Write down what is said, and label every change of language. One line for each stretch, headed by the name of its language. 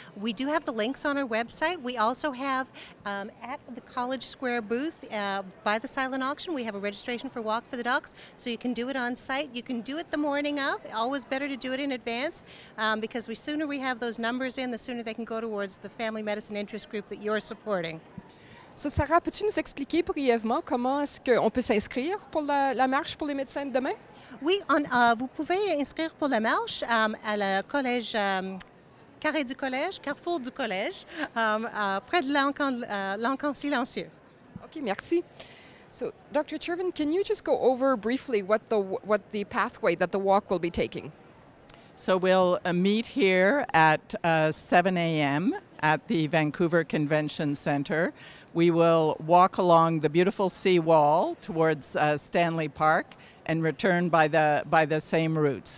English: We do have the links on our website. We also have at the College Square booth by the silent auction, we have a registration for Walk for the Docs, so you can do it on site. You can do it the morning of. Always better to do it in advance, because the sooner we have those numbers in, the sooner they can go towards the family medicine interest group that you're supporting.
French: So Sarah, peux-tu nous expliquer brièvement comment est-ce qu'on peut s'inscrire pour la marche pour les médecins demain? Oui, vous pouvez inscrire pour la marche à la collège, carré du collège, carrefour du collège, près de l'encan silencieux.
English: OK, merci. So, Dr. Cervin, can you just go over briefly what the pathway that the walk will be taking? So we'll meet here at 7 a.m. at the Vancouver Convention Center. We will walk along the beautiful sea wall towards Stanley Park and return by the same route.